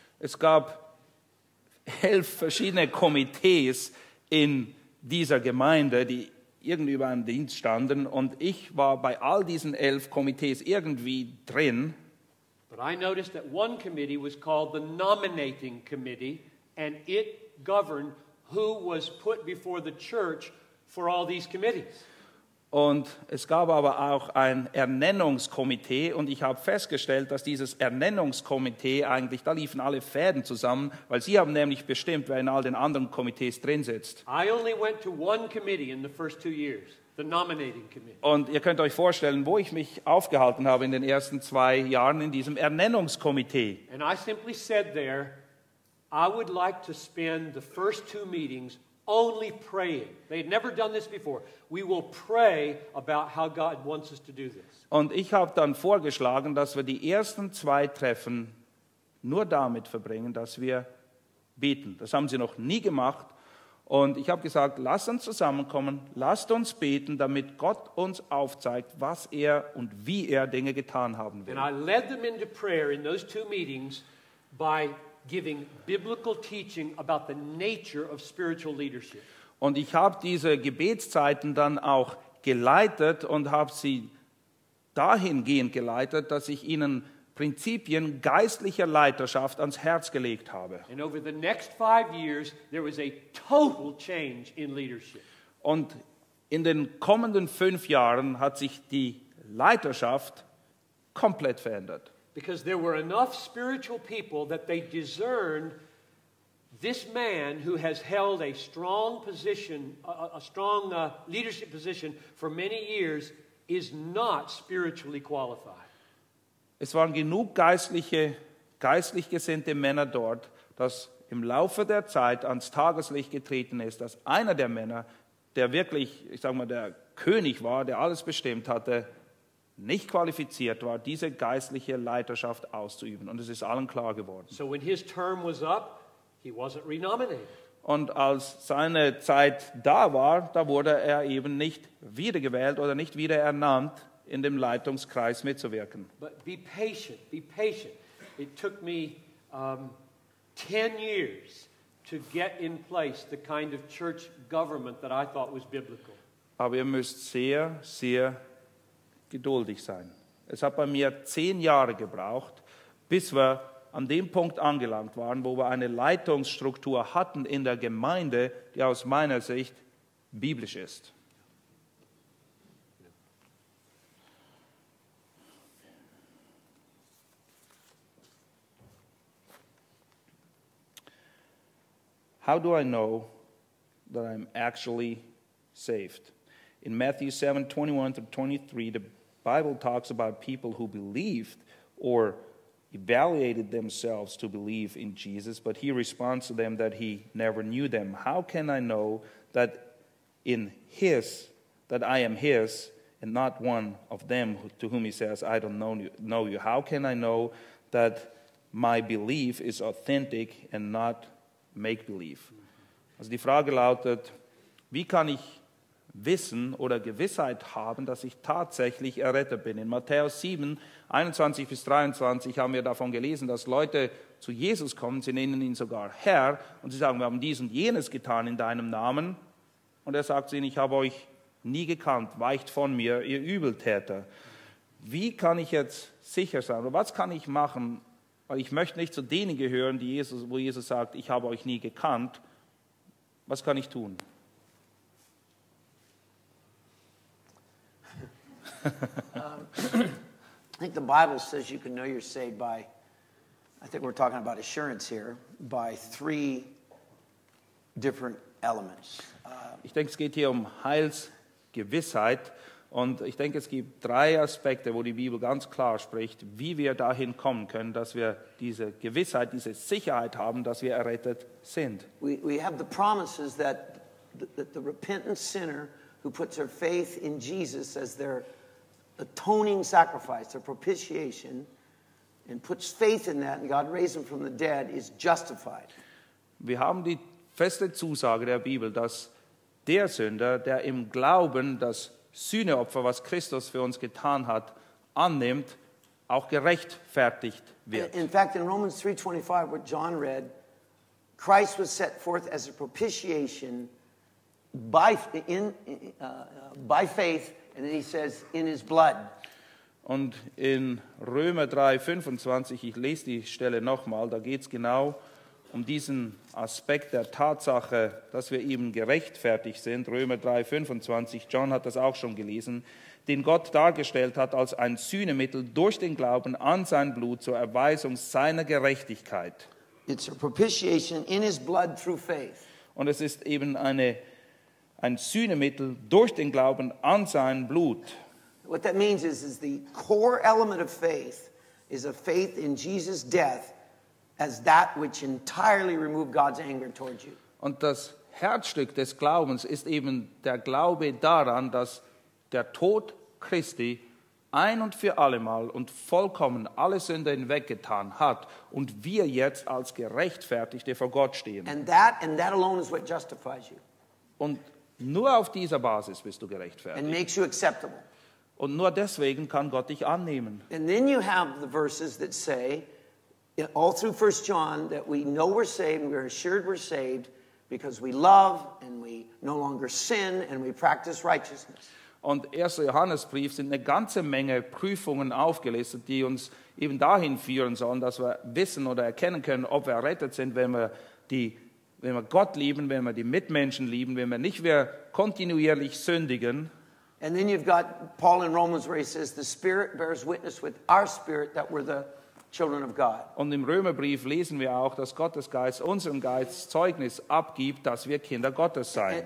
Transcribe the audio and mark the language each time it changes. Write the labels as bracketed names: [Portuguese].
[German] Es gab 11 verschiedene Komitees in dieser Gemeinde, die irgendwie über einen Dienst standen, und ich war bei all diesen 11 Komitees irgendwie drin. [English] But I noticed that one committee was called the nominating committee, and it governed who was put before the church for all these committees. [German] Und es gab aber auch ein Ernennungskomitee, und ich habe festgestellt, dass dieses Ernennungskomitee eigentlich, da liefen alle Fäden zusammen, weil sie haben nämlich bestimmt, wer in all den anderen Komitees drin sitzt. [English] I only went to one committee in the first 2 years, the nominating committee. [German] Und ihr könnt euch vorstellen, wo ich mich aufgehalten habe in den ersten 2 Jahren in diesem Ernennungskomitee. [English] And I simply said there, I would like to spend the first 2 meetings only praying. They had never done this before. We will pray about how God wants us to do this. [German] Und ich habe dann vorgeschlagen, dass wir die ersten 2 Treffen nur damit verbringen, dass wir beten. Das haben sie noch nie gemacht. Und ich habe gesagt, lasst uns zusammenkommen, lasst uns beten, damit Gott uns aufzeigt, was er und wie er Dinge getan haben will. [English] And I led them into prayer in those two meetings by giving biblical teaching about the nature of spiritual leadership. [German] Und ich habe diese Gebetszeiten dann auch geleitet und habe sie dahingehend geleitet, dass ich ihnen Prinzipien geistlicher Leiterschaft ans Herz gelegt habe. [English] And over the next 5 years, there was a total change in leadership. [German] Und in den kommenden 5 Jahren hat sich die Leiterschaft komplett verändert. [English] Because there were enough spiritual people that they discerned this man who has held a strong position, a strong leadership position for many years, is not spiritually qualified. [German] Es waren genug geistlich gesinnte Männer dort, dass im Laufe der Zeit ans Tageslicht getreten ist, dass einer der Männer, der wirklich, ich sage mal, der König war, der alles bestimmt hatte, nicht qualifiziert war, diese geistliche Leiterschaft auszuüben. Und es ist allen klar geworden. [English] So when his term was up, he wasn't renominated. [German] Und als seine Zeit da war, da wurde er eben nicht wiedergewählt oder nicht wieder ernannt, in dem Leitungskreis mitzuwirken. [English] But be patient, be patient. It took me 10 years to get in place the kind of church government that I thought was biblical. [German] Aber ihr müsst sehr, sehr geduldig sein. Es hat bei mir 10 Jahre gebraucht, bis wir an dem Punkt angelangt waren, wo wir eine Leitungsstruktur hatten in der Gemeinde, die aus meiner Sicht biblisch ist. [English] How do I know that I'm actually saved? In Matthew 7:21-23, the Bible talks about people who believed or evaluated themselves to believe in Jesus, but he responds to them that he never knew them. How can I know that I am his and not one of them to whom he says, I don't know you? How can I know that my belief is authentic and not make-believe? [German] Also die Frage lautet, wie kann ich wissen oder Gewissheit haben, dass ich tatsächlich errettet bin? In Matthäus 7:21-23 haben wir davon gelesen, dass Leute zu Jesus kommen, sie nennen ihn sogar Herr und sie sagen, wir haben dies und jenes getan in deinem Namen. Und er sagt zu ihnen, ich habe euch nie gekannt, weicht von mir, ihr Übeltäter. Wie kann ich jetzt sicher sein oder was kann ich machen? Weil ich möchte nicht zu denen gehören, die Jesus, wo Jesus sagt, ich habe euch nie gekannt. Was kann ich tun? [English] I think the Bible says you can know you're saved by, I think we're talking about assurance here, by 3 different elements. [German] Ich denke, es geht hier um Heilsgewissheit. Und ich denke, es gibt 3 Aspekte, wo die Bibel ganz klar spricht, wie wir dahin kommen können, dass wir diese Gewissheit, diese Sicherheit haben, dass wir errettet sind. [English] We have the promises that the repentant sinner who puts her faith in Jesus as their atoning sacrifice, their propitiation, and puts faith in that, and God raised him from the dead, is justified. [German] Wir haben die feste Zusage der Bibel, dass der Sünder, der im Glauben das Sühneopfer, was Christus für uns getan hat, annimmt, auch gerechtfertigt wird. [English] In fact, in Romans 3:25, what John read, Christ was set forth as a propitiation by faith, and then he says, in his blood. [German] Und in Römer 3:25, ich lese die Stelle nochmal, da geht es genau um diesen Aspekt der Tatsache, dass wir eben gerechtfertigt sind, Römer 3:25, John hat das auch schon gelesen, den Gott dargestellt hat als ein Sühnemittel durch den Glauben an sein Blut zur Erweisung seiner Gerechtigkeit. [English] It's a propitiation in his blood through faith. [German] Und es ist eben ein Sühnemittel durch den Glauben an sein Blut. [English] What that means is the core element of faith is a faith in Jesus' death as that which entirely removed God's anger towards you. [German] Und das Herzstück des Glaubens ist eben der Glaube daran, dass der Tod Christi ein und für allemal und vollkommen alle Sünde hinweggetan hat und wir jetzt als Gerechtfertigte vor Gott stehen. [English] And that alone is what justifies you. [German] Und nur auf dieser Basis bist du gerechtfertigt. [English] And makes you acceptable. [German] Und nur deswegen kann Gott dich annehmen. [English] And then you have the verses that say, all through 1 John, that we know we're saved, we're assured we're saved, because we love and we no longer sin and we practice righteousness. [German] Und 1. Johannesbrief sind eine ganze Menge Prüfungen aufgelistet, die uns eben dahin führen sollen, dass wir wissen oder erkennen können, ob wir errettet sind, wenn wir Gott lieben, wenn wir die Mitmenschen lieben, wenn wir nicht mehr kontinuierlich sündigen. [English] And then you've got Paul in Romans where he says, the Spirit bears witness with our spirit that we're the children of God. [German] Und im Römerbrief lesen wir auch, dass Gottes Geist unserem Geist Zeugnis abgibt, dass wir Kinder Gottes seien.